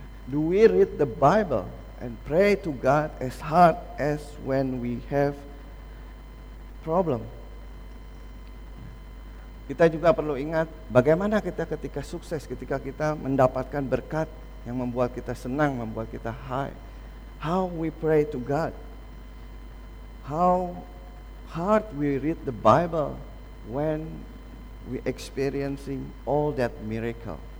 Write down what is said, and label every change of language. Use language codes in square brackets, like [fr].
[en] Do we read the Bible and pray to God as hard as when we have problem? [id] Kita juga perlu ingat bagaimana kita ketika sukses, ketika kita mendapatkan berkat yang membuat kita senang, membuat kita high. [en] How we pray to God. How hard we read the Bible when we experiencing all that miracle.